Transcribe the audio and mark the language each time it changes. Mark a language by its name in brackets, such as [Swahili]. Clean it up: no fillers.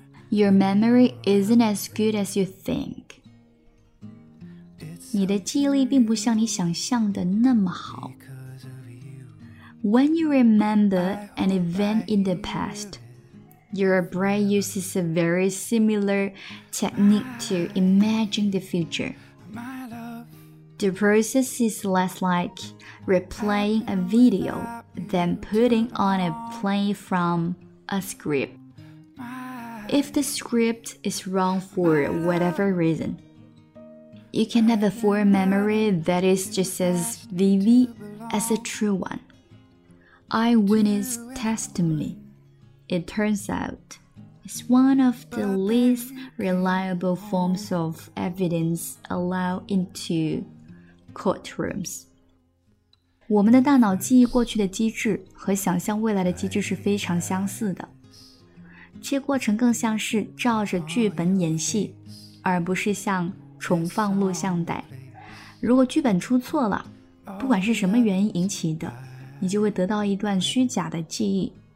[English] Your memory isn't as good as you think. [Chinese] 你的记忆力并不像你想象的那么好。 [English] When you remember an event in the past,Your brain uses a very similar technique to imagine the future. The process is less like replaying a video than putting on a play from a script. If the script is wrong for whatever reason, you can have a foreign memory that is just as vivid as a true one. Eyewitness testimony. It turns out, it's one of the least reliable forms of evidence allowed into courtrooms. [Chinese] 我们的大脑记忆过去的机制和想象未来的机制是非常相似的。这过程更像是照着剧本演戏，而不是像重放录像带。如果剧本出错了，不管是什么原因引起的，你就会得到一段虚假的记忆。